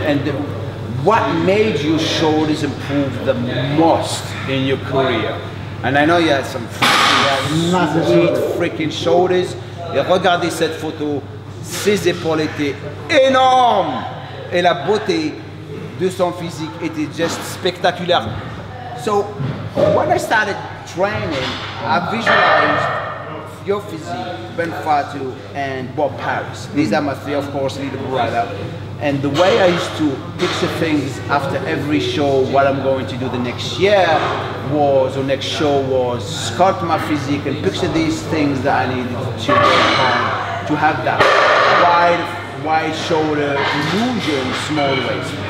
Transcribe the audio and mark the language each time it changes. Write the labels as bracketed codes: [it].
[en] And what made your shoulders improve the most in your career? And I know you had some sweet freaking shoulders. [fr] Regardez cette photo. Ses épaules étaient énormes. Et la beauté de son physique était [en] just [fr] spectaculaire. [en] So, when I started training, I visualized your physique, Ben Fatu and Bob Paris. These are my three, of course, little brother. And the way I used to picture things after every show, what I'm going to do the next year was, or next show was, sculpt my physique and picture these things that I needed to work on to have that wide shoulder illusion, small waist.